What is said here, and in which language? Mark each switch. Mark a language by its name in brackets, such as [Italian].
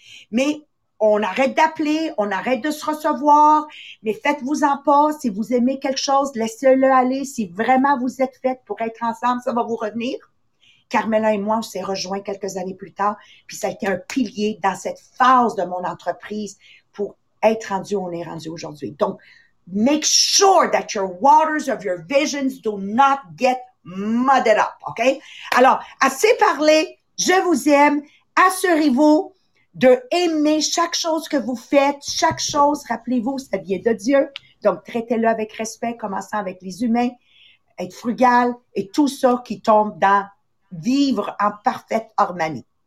[French] Mais on arrête d'appeler, on arrête de se recevoir, mais faites-vous en pas. Si vous aimez quelque chose, laissez-le aller. Si vraiment vous êtes faites pour être ensemble, ça va vous revenir. Carmela et moi, on s'est rejoints quelques années plus tard, puis ça a été un pilier dans cette phase de mon entreprise pour être rendu où on est rendu aujourd'hui. Donc, [English] make sure that your waters of your visions do not get mud it up, OK? [French] Alors, assez parlé, je vous aime. Assurez-vous de aimer chaque chose que vous faites, chaque chose, rappelez-vous, ça vient de Dieu. Donc, traitez-le avec respect, commençant avec les humains, être frugal et tout ça qui tombe dans vivre en parfaite harmonie.